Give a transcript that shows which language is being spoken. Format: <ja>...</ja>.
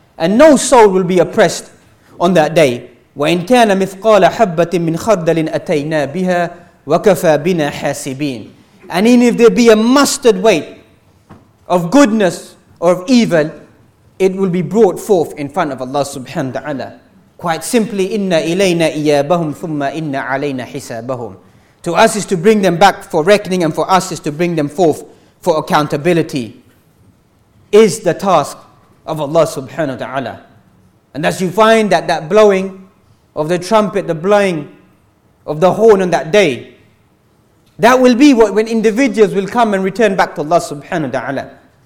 <en>And no soul will be oppressed on that day.</en> <ar>وَإِنْ كَانَ مِثْقَالَ حَبَّةٍ مِّنْ خَرْدَلٍ أَتَيْنَا بِهَا وَكَفَى بِنَا حَاسِبِينَ.</ar> <en>And even if there be a mustard weight of goodness or of evil, it will be brought forth in front of Allah subhanahu wa ta'ala. Quite simply,</en> <ar>إِنَّ إِلَيْنَا إِيَابَهُمْ ثُمَّ إِنَّ عَلَيْنَا حِسَابَهُمْ.</ar> <en>To us is to bring them back for reckoning, and for us is to bring them forth for accountability, is the task of Allah subhanahu wa ta'ala. And as you find that blowing of the trumpet, the blowing of the horn on that day, that will be what when individuals will come and return back to Allah subhanahu wa ta'ala.</en>